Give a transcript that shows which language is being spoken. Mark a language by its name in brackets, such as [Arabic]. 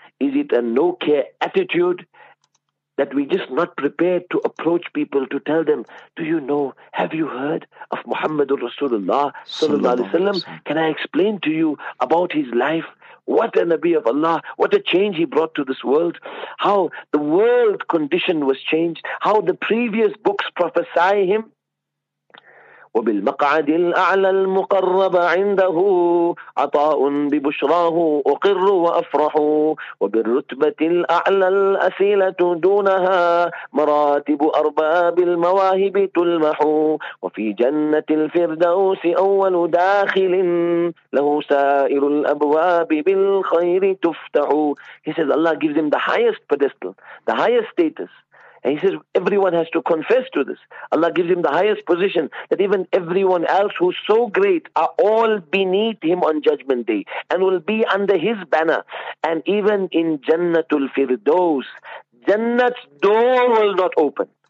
[English] Is it a no-care attitude that we're just not prepared to approach people to tell them, do you know, have you heard of Muhammad Rasulullah sallallahu alaihi wasallam? Can I explain to you about his life? What a Nabi of Allah, what a change he brought to this world, how the world condition was changed, how the previous books prophesy him. [Arabic] وبالمقعد الأعلى المقرب عنده عطاء ببشراه أقر وأفرح وبالرتبة الأعلى الأسيلة دونها مراتب أرباب المواهب تلمح وفي جنة الفردوس أول داخل له سائر الأبواب بالخير تفتح. [English] He says Allah gives him the highest pedestal, the highest status. And he says, everyone has to confess to this. Allah gives him the highest position, that even everyone else who's so great are all beneath him on Judgment Day and will be under his banner. And even in Jannatul Firdaus, Jannat's door will not open.